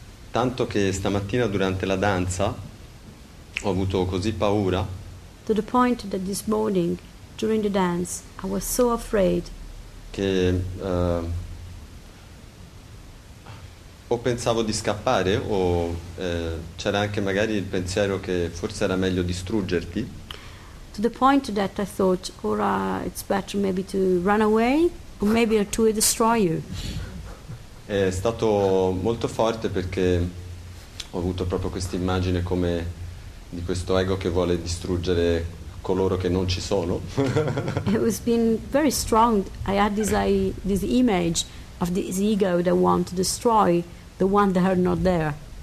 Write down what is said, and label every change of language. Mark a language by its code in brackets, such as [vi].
[it] Tanto che stamattina durante la danza ho avuto così paura. [en] To the point that this morning, during the dance, I was so afraid. [it] Che o pensavo di scappare o c'era anche magari il pensiero che forse era meglio distruggerti. [en] To the point that I thought, ora it's better maybe to run away or maybe to destroy you. [it] È stato molto forte perché ho avuto proprio questa immagine come di questo ego che vuole distruggere coloro che non ci sono. [en] It was been very strong. I had this image of this ego that want to destroy the one that are not there.